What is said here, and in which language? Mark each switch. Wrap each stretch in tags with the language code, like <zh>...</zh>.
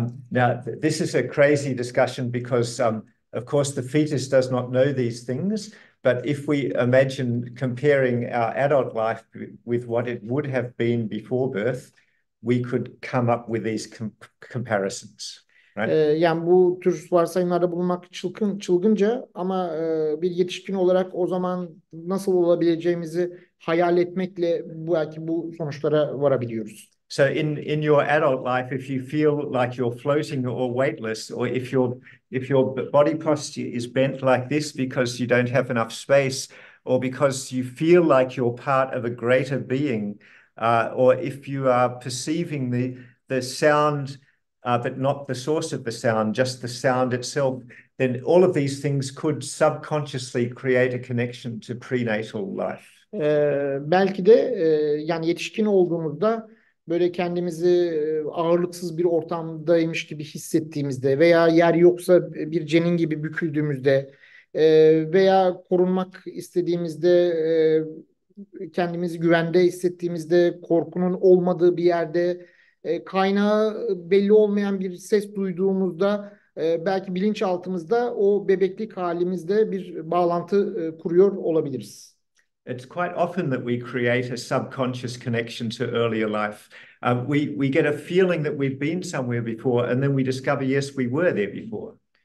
<en>Now, this is a crazy discussion because, of course, the fetus does not know these things. But if we imagine comparing our adult life with what it would have been before birth, we could come up with these comparisons, right?</en> <tr>Yani bu tür varsayımlarda bulunmak çılgınca ama bir yetişkin olarak o zaman nasıl olabileceğimizi hayal etmekle belki bu sonuçlara varabiliyoruz.</tr> <en>So in your adult life, if you feel like you're floating or weightless, or if your body posture is bent like this because you don't have enough space, or because you feel like you're part of a greater being, or if you are perceiving the sound, but not the source of the sound, just the sound itself, then all of these things could subconsciously create a connection to prenatal life.</en> <tr>Belki de yani yetişkin olduğumuzda böyle kendimizi ağırlıksız bir ortamdaymış gibi hissettiğimizde veya yer yoksa bir cenin gibi büküldüğümüzde veya korunmak istediğimizde kendimizi güvende hissettiğimizde korkunun olmadığı bir yerde kaynağı belli olmayan bir ses duyduğumuzda Belki bilinçaltımızda o bebeklik halimizde bir bağlantı kuruyor olabiliriz.</tr> <en>It's quite often that we create a subconscious connection to earlier life. We get a feeling that we've been somewhere before, and then we discover, yes, we were there before.</en>